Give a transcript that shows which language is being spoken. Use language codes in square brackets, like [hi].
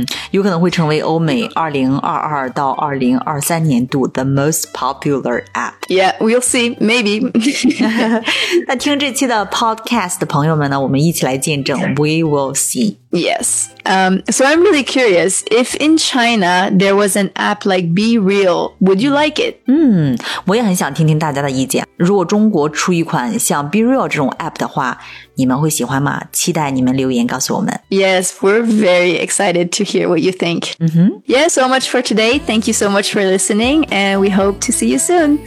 [zh] 有可能会成为欧美2022到2023年度 [en] the most popular app. Yeah, we'll see, maybe. [zh] 那听这期的 podcast 的朋友们呢我们一起来见证 [en] we will see. Yes, so I'm really curious, if in China there was an app like Be Real, would you like it? [zh] 我也很想听听大家的意见。如果中国出一款像 Be Real 这种 app 的话，你们会喜欢吗？期待你们留言告诉我们。 [en] Yes, we're very excited to hear what you think. Yeah, so much for today. Thank you so much for listening, and we hope to see you soon.